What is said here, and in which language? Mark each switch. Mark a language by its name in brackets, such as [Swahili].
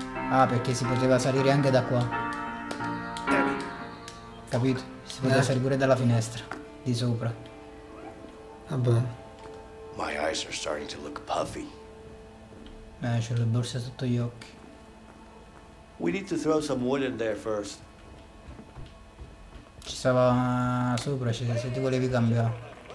[Italian] Ah, perché si poteva salire anche da qua. Capito? Si poteva salire pure dalla finestra di sopra. Vabbè. [English] My eyes are starting to look puffy. [Italian] C'ho le borse sotto gli occhi. [English] We need to throw some wood in there first. [Italian] Ci stava sopra, se ti volevi cambiare.